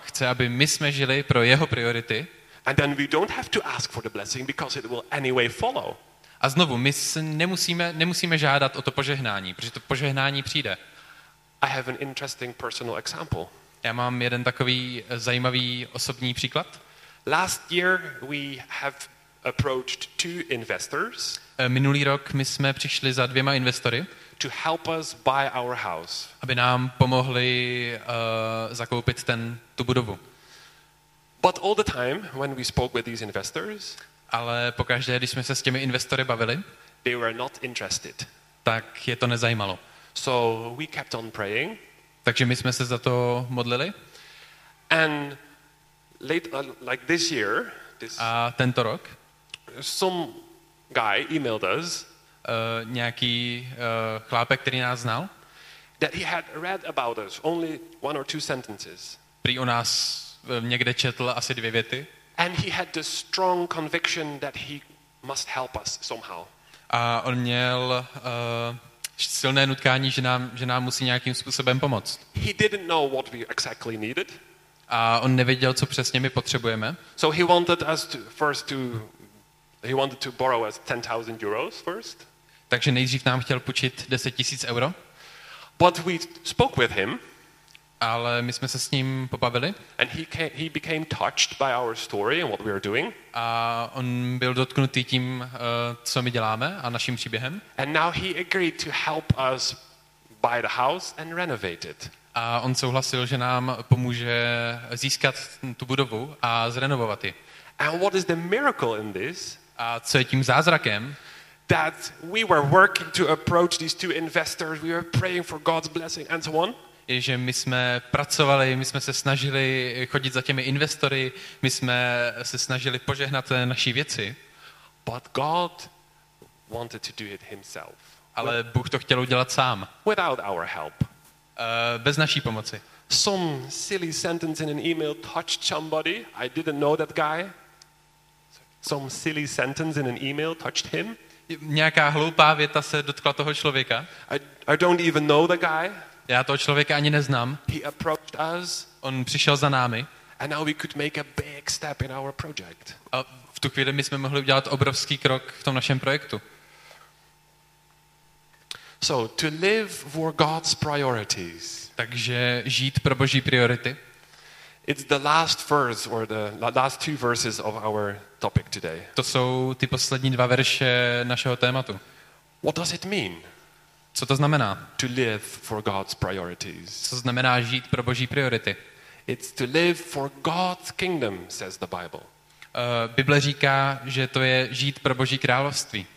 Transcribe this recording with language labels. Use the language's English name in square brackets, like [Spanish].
[Czech] Chce, aby my jsme žili pro jeho priority. [English] And then we don't have to ask for the blessing because it will anyway follow. [Czech] A znovu, my nemusíme žádat o to požehnání, protože to požehnání přijde. [English] I have an interesting personal example. [Czech] Já mám jeden takový zajímavý osobní příklad. [English] Last year we have approached two investors. [Czech] Minulý rok my jsme přišli za dvěma investory. [English] To help us buy our house. [Czech] Aby nám pomohli zakoupit tu budovu. [English] But all the time when we spoke with these investors. [Czech] Ale pokaždé, když jsme se s těmi investory bavili, [English] they were not interested. [Czech] Tak je to nezajímalo. [English] So we kept on praying. [Czech] Takže my jsme se za to modlili. [English] And late like this year, this [Czech] a tento rok, [English] some guy emailed us. [Czech] Nějaký chlápek, který nás znal. [English] That he had read about us only one or two sentences. [Czech] Prý o nás někde četl asi dvě věty. [English] And he had the strong conviction that he must help us somehow. [Czech] A on měl silné nutkání, že nám musí nějakým způsobem pomoct. [English] He didn't know what we exactly needed. [Czech] A on nevěděl, co přesně my potřebujeme. [English] So he wanted us to first to he wanted to borrow us 10,000 euros first. [Czech] Takže nejdřív nám chtěl půjčit 10 000 euro. [English] But we spoke with him. [Czech] Ale my jsme se s ním pobavili. [English] And he became touched by our story and what we are doing. [Czech] A on byl dotknutý tím, co my děláme a naším příběhem. [English] And now he agreed to help us buy the house and renovate it. [Czech] A on souhlasil, že nám pomůže získat tu budovu a zrenovovat ji. [English] And what is the miracle in this? [Czech] A co je tím zázrakem? [English] That we were working to approach these two investors, we were praying for God's blessing and so on. [Czech] Je, že my jsme pracovali, my jsme se snažili chodit za těmi investory, my jsme se snažili požehnat naší věci. [English] But God wanted to do it himself. [Czech] Ale Bůh to chtěl udělat sám. [English] Without our help. [Czech] Bez naší pomoci. [English] Some silly sentence in an email touched somebody. I didn't know that guy. Some silly sentence in an email touched him. [Czech] Nějaká hloupá věta se dotkla toho člověka. [English] I don't even know the guy. [Czech] Já toho člověka ani neznám. [English] He approached us. [Czech] On přišel za námi. [English] And now we could make a big step in our project. [Czech] A v tu chvíli my jsme mohli udělat obrovský krok v tom našem projektu. [English] So to live for God's priorities. [Czech] Takže žít pro Boží priority. [English] It's the last verse or the last two verses of our topic today. [Czech] To jsou ty poslední dva verše našeho tématu. [English] What does it mean? [Czech] Co to znamená? [English] To live for God's priorities. [Czech] Co znamená žít pro Boží priority? [English] It's to live for God's kingdom, says the Bible. [Czech] Bible říká, že to je žít pro Boží království.